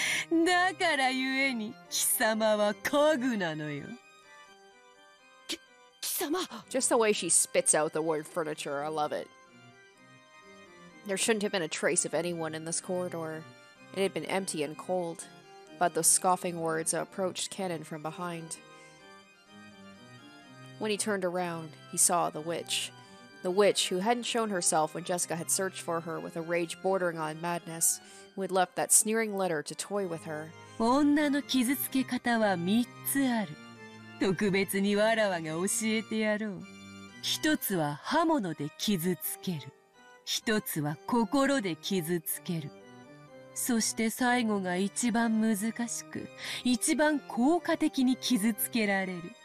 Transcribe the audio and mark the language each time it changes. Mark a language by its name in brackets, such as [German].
[Japanese] だからゆえに貴様は家具なのよ。貴様。 [English] Just the way she spits out the word furniture, I love it. There shouldn't have been a trace of anyone in this corridor. It had been empty and cold, but those scoffing words approached Kanon from behind. When he turned around, he saw the witch. The witch, who hadn't shown herself when Jessica had searched for her with a rage bordering on madness, who had left that sneering letter to toy with her. [Japanese] 女の傷つけ方は三つある。特別にわらわが教えてやろう。一つは刃物で傷つける。一つは心で傷つける。そして最後が一番難しく、一番効果的に傷つけられる。